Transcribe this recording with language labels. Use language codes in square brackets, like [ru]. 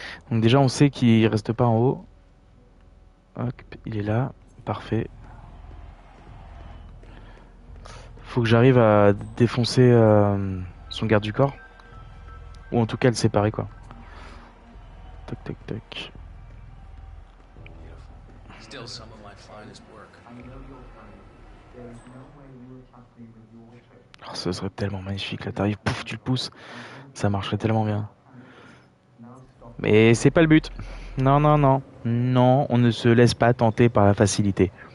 [fr] Donc déjà, on sait qu'il reste pas en haut. Hop, il est là, parfait. Faut que j'arrive à défoncer son garde du corps. Ou en tout cas, le séparer, quoi. Toc, toc, toc. [en] Still some of my finest work. [fr] Oh, ce serait tellement magnifique là, t'arrives, pouf, tu le pousses, ça marcherait tellement bien. Mais c'est pas le but. Non, on ne se laisse pas tenter par la facilité.